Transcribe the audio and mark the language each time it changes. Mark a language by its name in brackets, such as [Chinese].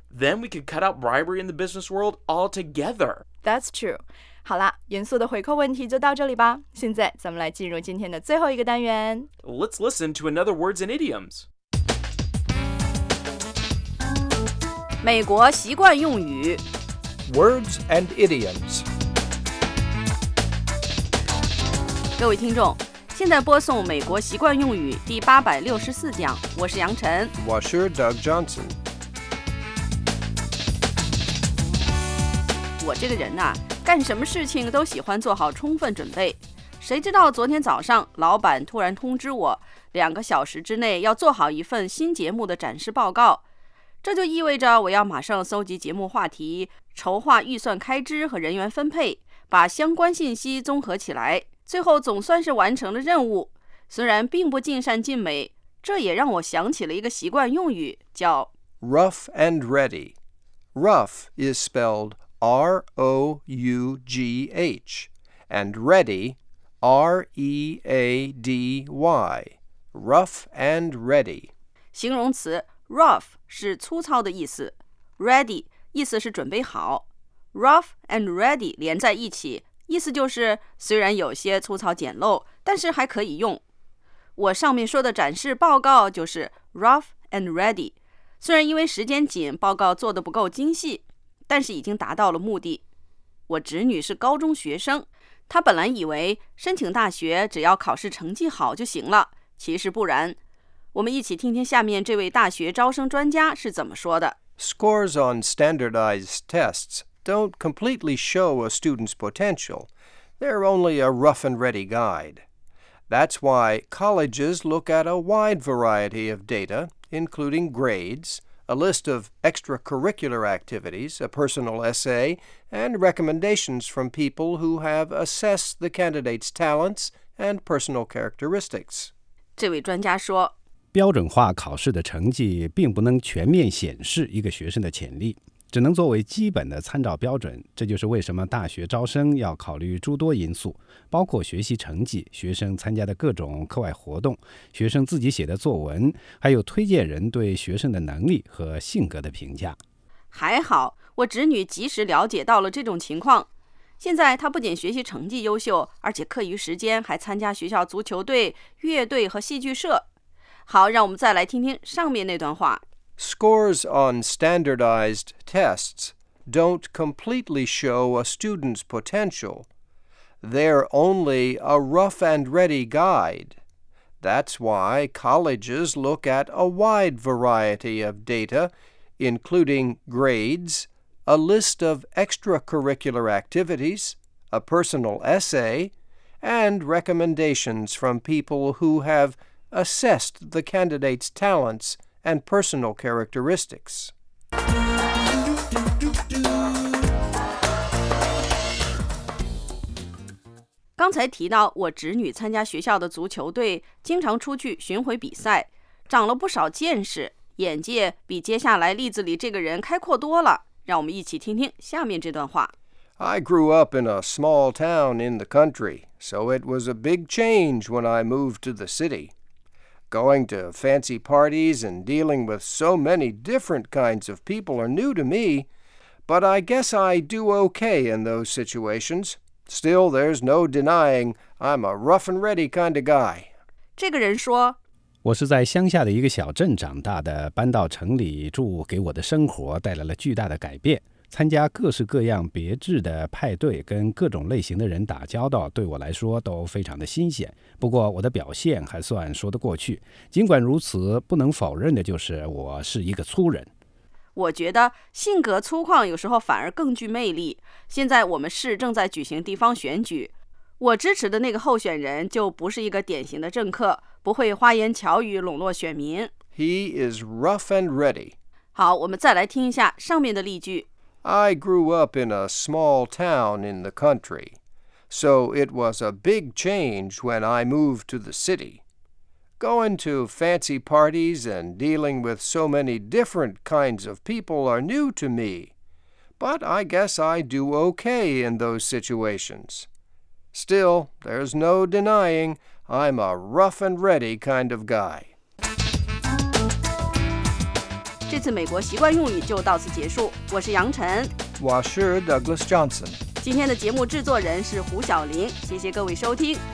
[English] Then we could cut out bribery in the business world altogether. That's true. [Chinese] 好了，严肃的回扣问题就到这里吧。现在咱们来进入今天的最后一个单元。 [English] Let's listen to another words and idioms. [Chinese] 美国习惯用语。 [English] Words and idioms. [Chinese] 各位听众，现在播送美国习惯用语第864讲，我是杨晨。我是 Doug Johnson。我这个人啊干什么事情都喜欢做好充分准备。谁知道昨天早上，老板突然通知我，2个小时之内要做好一份新节目的展示报告。这就意味着我要马上搜集节目话题，筹划预算开支和人员分配，把相关信息综合起来，最后总算是完成了任务。虽然并不尽善尽美，这也让我想起了一个习惯用语，叫 [English] rough and ready。 Rough is spelled R-O-U-G-H and ready R-E-A-D-Y rough and ready。 [Chinese] 形容词 rough 是粗糙的意思， ready 意思是准备好。 [English] rough and ready [Chinese] 连在一起，意思就是虽然有些粗糙简陋，但是还可以用。我上面说的展示报告就是 [English] rough and ready， [Chinese] 虽然因为时间紧，报告做得不够精细，但是已经达到了目的。我侄女是高中学生，她本来以为申请大学只要考试成绩好就行了，其实不然。我们一起听听下面这位大学招生专家是怎么说的。 [English] Scores on standardized tests don't completely show a student's potential. They're only a rough and ready guide. That's why colleges look at a wide variety of data, including grades, a list of extracurricular activities, a personal essay, and recommendations from people who have assessed the candidate's talents and personal characteristics. [Chinese] 这位专家说，标准化考试的成绩并不能全面显示一个学生的潜力，只能作为基本的参照标准。这就是为什么大学招生要考虑诸多因素，包括学习成绩、学生参加的各种课外活动、学生自己写的作文，还有推荐人对学生的能力和性格的评价。还好我侄女及时了解到了这种情况，现在她不仅学习成绩优秀，而且课余时间还参加学校足球队、乐队和戏剧社。好，让我们再来听听上面那段话。 [English] Scores on standardized tests don't completely show a student's potential. They're only a rough and ready guide. That's why colleges look at a wide variety of data, including grades, a list of extracurricular activities, a personal essay, and recommendations from people who have assessed the candidate's talents and personal characteristics. [Chinese] 刚才提到我侄女参加学校的足球队，经常出去巡回比赛，长了不少见识，眼界比接下来例子里这个人开阔多了。让我们一起听听下面这段话。 [English] I grew up in a small town in the country, so it was a big change when I moved to the city. Going to fancy parties and dealing with so many different kinds of people are new to me, but I guess I do okay in those situations. Still, there's no denying I'm a rough and ready kind of guy. [Chinese] 这个人说，我是在乡下的一个小镇长大的，搬到城里住给我的生活带来了巨大的改变。参加各式各样别致的派对，跟各种类型的人打交道，对我来说都非常的新鲜。不过我的表现还算说得过去。尽管如此，不能否认的就是我是一个粗人。我觉得性格粗犷有时候反而更具魅力。现在我们市正在举行地方选举，我支持的那个候选人就不是一个典型的政客，不会花言巧语笼络选民。 [English] He is rough and ready. [Chinese] 好，我们再来听一下上面的例句。 [English] I grew up in a small town in the country, so it was a big change when I moved to the city. Going to fancy parties and dealing with so many different kinds of people are new to me, but I guess I do okay in those situations. Still, there's no denying I'm a rough and ready kind of guy. [Chinese] 这次美国习惯用语就到此结束，我是杨晨，我是 Douglas Johnson，今天的节目制作人是胡晓玲，谢谢各位收听。